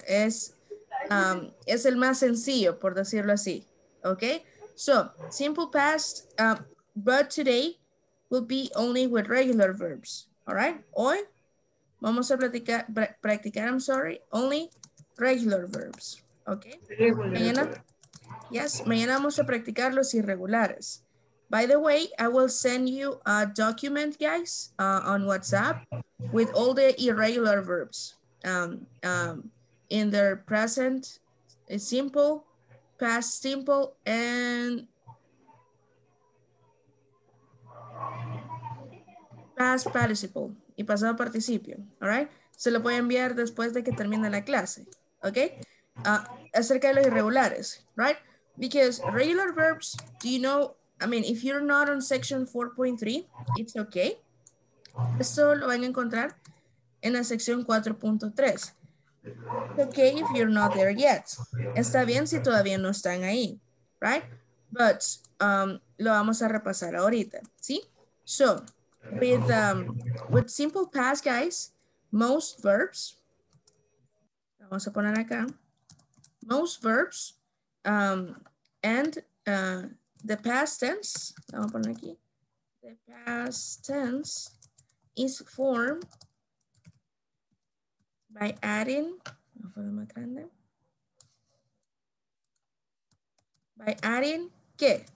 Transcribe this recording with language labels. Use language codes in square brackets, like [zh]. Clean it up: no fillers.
[es] Es el más sencillo, por decirlo así, okay? [en] So, simple past, but today will be only with regular verbs, all right? [es] Hoy vamos a practicar, [en] I'm sorry, only regular verbs, okay? [es] Mañana, [en] yes, [es] mañana vamos a practicar los irregulares. [en] By the way, I will send you a document, guys, on WhatsApp with all the irregular verbs in their present, simple, past simple, and past participle, [es] y pasado participio, [en] all right? [es] Se lo voy a enviar después de que termine la clase, okay? Acerca de los irregulares, right? [en] Because regular verbs, do you know, I mean, if you're not on section 4.3, it's okay. [es] Esto lo van a encontrar en la sección 4.3. [en] It's okay if you're not there yet. [es] Está bien si todavía no están ahí, [en] right? But [es] lo vamos a repasar ahorita, ¿sí? [en] So, with simple past, guys, most verbs, [es] vamos a poner acá, [en] most verbs and the past tense, [es] vamos a poner aquí, [en] the past tense is formed by adding, by adding, ¿qué?